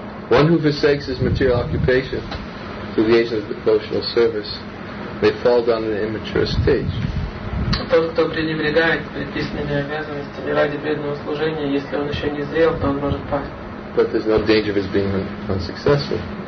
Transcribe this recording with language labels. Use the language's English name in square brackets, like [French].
[English] One who forsakes his material occupation through the agent of devotional service may fall down in an immature stage. [Russian] Тот, кто пренебрегает предписанными обязанностями ради преданного служения, если он еще не зрел, то он может пасть. [English] But there's no danger of his being unsuccessful.